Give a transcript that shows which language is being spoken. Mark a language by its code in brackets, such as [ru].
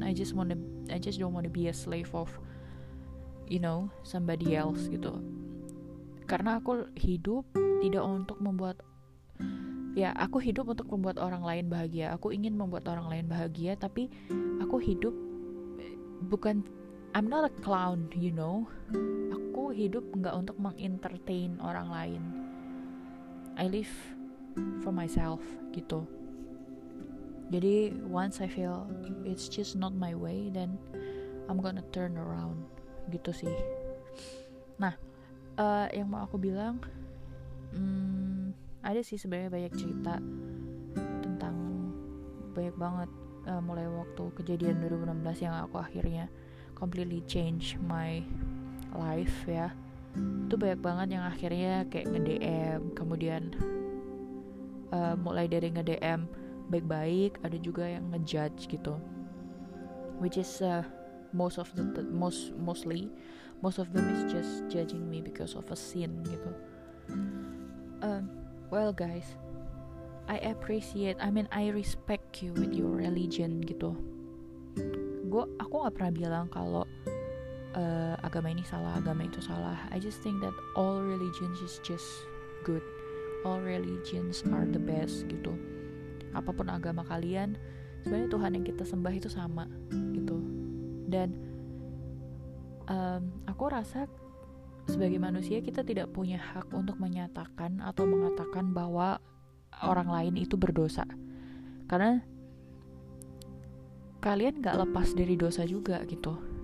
[en] I just don't want to be a slave of, you know, somebody else gitu. [id] Karena aku hidup tidak untuk membuat, ya, aku hidup untuk membuat orang lain bahagia. Aku ingin membuat orang lain bahagia, tapi aku hidup bukan, [en] I'm not a clown, you know. [id] Aku hidup enggak untuk mengentertain orang lain. [en] I live for myself gitu. [id] Jadi [en] once I feel it's just not my way, then I'm gonna turn around gitu sih. [id] Nah, yang mau aku bilang, ada sih sebenarnya banyak cerita tentang banyak banget, mulai waktu kejadian 2016 yang aku akhirnya [en] completely change my life [id] ya. Itu banyak banget yang akhirnya kayak nge-DM, kemudian mulai dari nge-DM baik-baik, ada juga yang ngejudge gitu, [en] which is most of them is just judging me because of a sin [id] gitu. [en] Well guys, I appreciate, I mean I respect you with your religion gitu. [id] Aku gak pernah bilang kalau agama ini salah, agama itu salah. [en] I just think that all religions is just good, all religions are the best gitu. [id] Apapun agama kalian, sebenarnya Tuhan yang kita sembah itu sama gitu. Dan aku rasa sebagai manusia kita tidak punya hak untuk menyatakan atau mengatakan bahwa orang lain itu berdosa, karena kalian gak lepas dari dosa juga gitu.